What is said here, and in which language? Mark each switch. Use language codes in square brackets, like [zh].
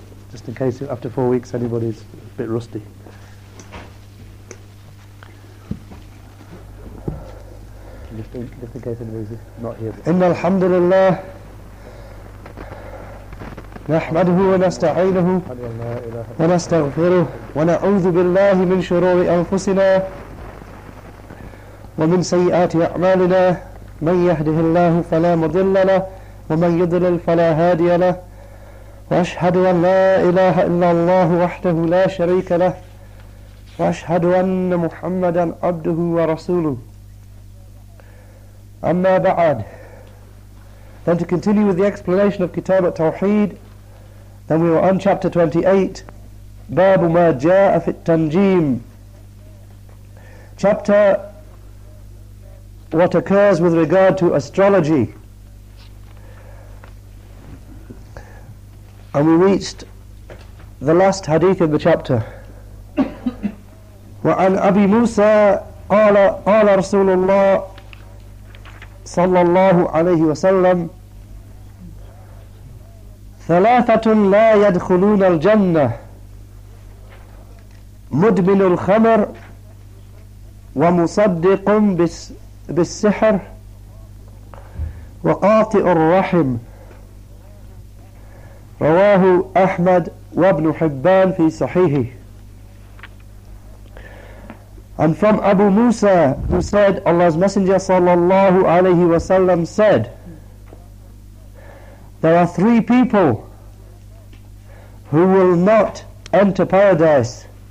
[en] Just in case after 4 weeks anybody's a bit rusty. Just in case anybody's not here. [ar] Inna alhamdulillah. نحمده ونستعينه ونستغفره ونعوذ بالله من شرور أنفسنا ومن سيئات أعمالنا، من يهده الله فلا مضل له، ومن يضلل فلا هادي له، وأشهد أن لا إله إلا الله وحده لا شريك له وأشهد أن محمدا عبده ورسوله. أما بعد, [en] then to continue with the explanation of Kitab al-Tawheed, then we were on chapter 28, Babu [ar] ما جاء في التنجيم, [en] chapter what occurs with regard to astrology. And we reached the last hadith of the chapter. [ar] وعن أبي موسى قال قال رسول الله صلى الله عليه وسلم ثلاثة لا يدخلون الجنة: مدمن الخمر, ومصدق بالسحر, وقاطع الرحم. رواه أحمد وابن حبان في صحيحه. [en] And from Abu Musa, who said, Allah's Messenger sallallahu alayhi wa sallam said, there are three people who will not enter paradise.